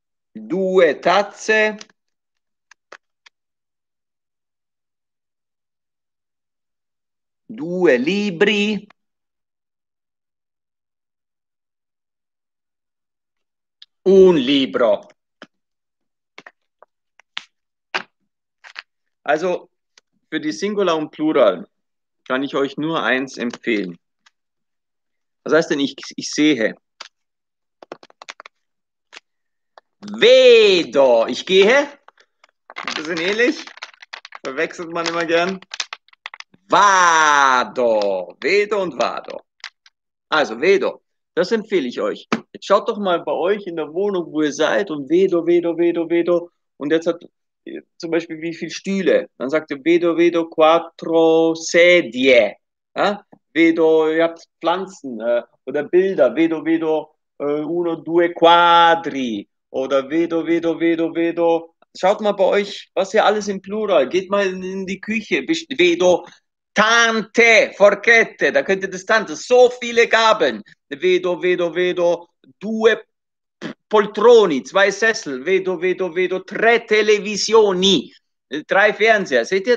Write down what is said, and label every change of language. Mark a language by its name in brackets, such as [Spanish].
[Italian] due tazze due libri un libro. [German] Also für die Singular und Plural kann ich euch nur eins empfehlen. Was heißt denn ich sehe? Vedo, ich gehe. Ein bisschen ähnlich. Verwechselt man immer gern. Vado, vedo und vado. Also vedo, das empfehle ich euch. Jetzt schaut doch mal bei euch in der Wohnung, wo ihr seid und vedo, vedo, vedo, vedo. Und jetzt hat zum Beispiel wie viele Stühle? Dann sagt ihr [Italian] vedo, vedo, quattro sedie. [German] Ja? Vedo, ihr habt Pflanzen oder Bilder. [Italian] Vedo, vedo, uno, due quadri. Oder vedo, vedo, vedo, vedo. [German] Schaut mal bei euch, was ihr alles im Plural. Geht mal in die Küche. [Italian] Vedo tante forchette. [German] Da könnt ihr das tante. So viele Gabeln. Vedo, vedo, vedo. [Italian] Due poltroni. [German] Zwei Sessel. Vedo, vedo, vedo. [Italian] Tre televisioni. [German] Drei Fernseher. Seht ihr?